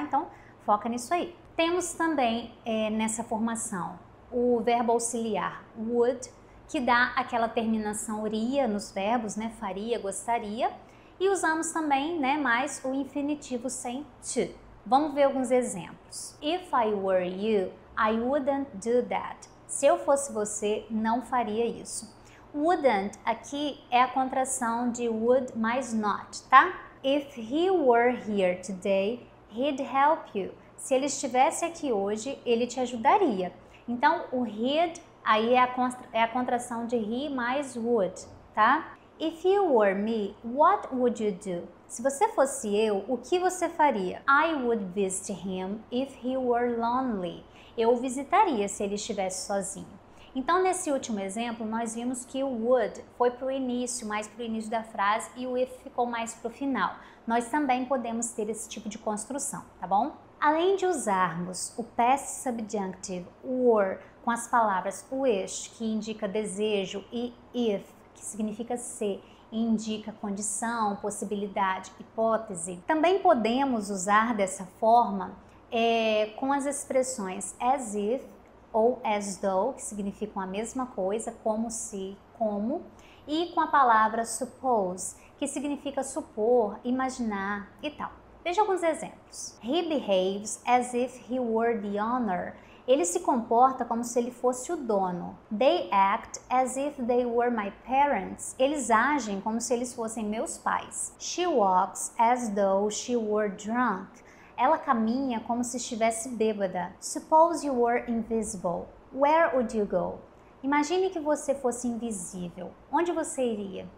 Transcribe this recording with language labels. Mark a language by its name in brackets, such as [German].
[Portuguese] Então, foca nisso aí. Temos também nessa formação o verbo auxiliar would, que dá aquela terminação -ria nos verbos, né? Faria, gostaria. E usamos também, né, mais o infinitivo sem to. Vamos ver alguns exemplos. [English] If I were you, I wouldn't do that. [Portuguese] Se eu fosse você, não faria isso. Wouldn't aqui é a contração de would mais not, tá? [English] If he were here today, he'd help you. [Portuguese] Se ele estivesse aqui hoje, ele te ajudaria. Então, o he'd aí é a contração de he mais would, tá? [English] If you were me, what would you do? [Portuguese] Se você fosse eu, o que você faria? [English] I would visit him if he were lonely. [Portuguese] Eu o visitaria se ele estivesse sozinho. Então, nesse último exemplo, nós vimos que o would foi para o início, mais para o início da frase, e o if ficou mais para o final. Nós também podemos ter esse tipo de construção, tá bom? Além de usarmos o past subjunctive were com as palavras wish, que indica desejo, e if, que significa se, indica condição, possibilidade, hipótese. Também podemos usar dessa forma com as expressões as if ou as though, que significam a mesma coisa, como se, como, e com a palavra suppose, que significa supor, imaginar e tal. Veja alguns exemplos. [English] He behaves as if he were the owner. [Portuguese] Ele se comporta como se ele fosse o dono. [English] They act as if they were my parents. [Portuguese] Eles agem como se eles fossem meus pais. [English] She walks as though she were drunk. [Portuguese] Ela caminha como se estivesse bêbada. [English] Suppose you were invisible. Where would you go? [Portuguese] Imagine que você fosse invisível. Onde você iria?